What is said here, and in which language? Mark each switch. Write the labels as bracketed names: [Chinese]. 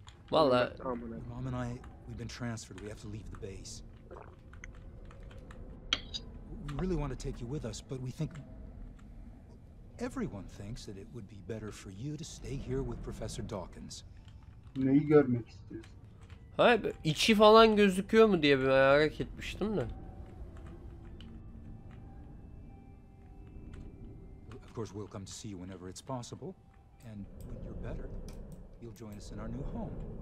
[English] Valla. Mom and I, we've been transferred. We have to leave the base. We really want to take you with us, but we think... Everyone thinks that it would be better for you to stay here with Professor Dawkins. [Turkish] Neyi görmek istiyorsun? Hayır, içi falan gözüküyor mu diye bir merak etmiştim de. [English] Of course, we'll come to see you whenever it's possible. And when you're better, you'll join us in our new home.